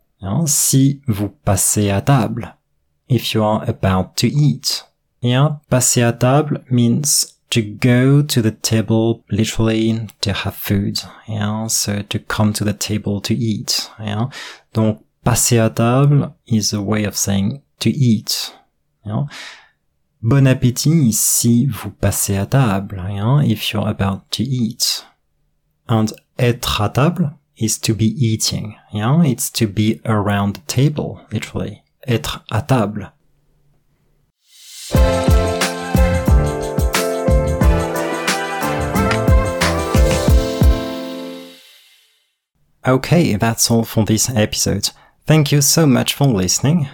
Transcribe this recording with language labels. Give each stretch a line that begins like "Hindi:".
French: Hein, si vous passez à table.
English: If you are about to eat. Yeah, passer à table means to go to the table, literally to have food. Yeah, so to come to the table to eat. Yeah, donc passer à table is a way of saying to eat.
French: Yeah, bon appétit si vous passez à table.
English: Yeah, if you're about to eat. And être à table is to be eating. Yeah, it's to be around the table, literally. Être à table. Okay, that's all for this episode. Thank you so much for listening.